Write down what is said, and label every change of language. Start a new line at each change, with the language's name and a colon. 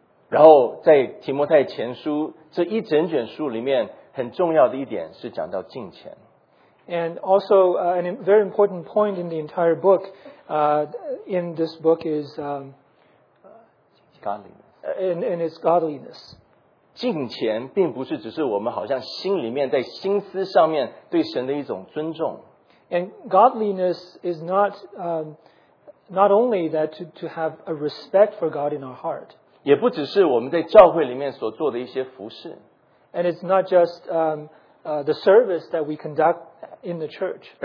Chinese: 然后在提摩太前书这一整卷书里面很重要的一点是讲到敬虔。
English: And also a very important point in the entire book, in this book is godliness. And it's godliness.
Chinese: 敬虔并不是只是我们好像心里面在心思上面对神的一种尊重。
English: And godliness is not only that to have a respect for God in our heart.
Chinese: 也不只是我们在教会里面所做的一些服事。
English: And it's not just the service that we conduct in the church.